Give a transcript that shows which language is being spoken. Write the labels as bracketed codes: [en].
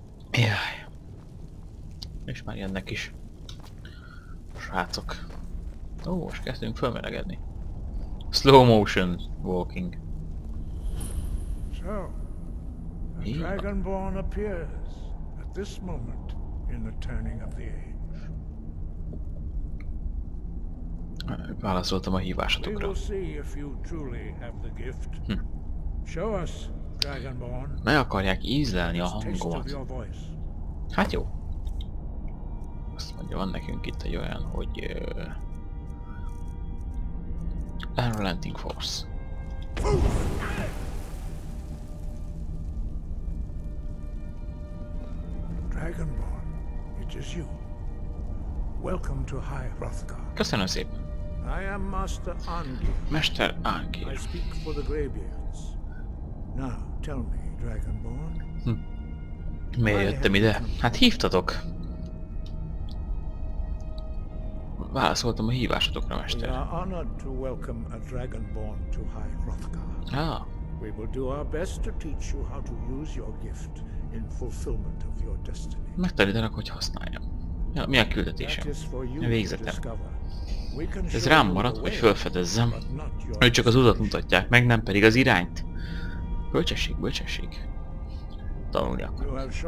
[hu] Jaj. És már jönnek is. Srácok. Ó, most kezdünk fölmelegedni. [en] Slow motion walking. So, a Dragonborn appears at this moment in the turning of the age. [hu] Válaszoltam a hívásatokra. [en] We will see if you truly have the gift. Show us, Dragonborn. [hu] Meg akarják ízlelni a hangomat. Hát jó. Azt mondja, van nekünk itt egy olyan, hogy... [en] Unrelenting Force. Dragonborn, it is you. Welcome to High Hrothgar. [hu] Köszönöm szépen. [en] I am Master Angir. [hu] Mester Angir. [en] I speak for the Greybeards. Now, tell me, Dragonborn. [hu] Miért jöttem ide? Hát hívtatok. Válaszoltam a hívásotokra, mester. [en] We are honored to welcome a Dragonborn to High Hrothgar. Ah. We will do our best to teach you how to use your gift in fulfillment of your destiny. [hu] Megtanítanak, hogy használjam. Ja, mi a küldetésem? Végzetem. Ez rám maradt, hogy felfedezzem. Ők csak az utat mutatják meg, nem pedig az irányt. Bölcsesség, bölcsesség. Tanulni akarok.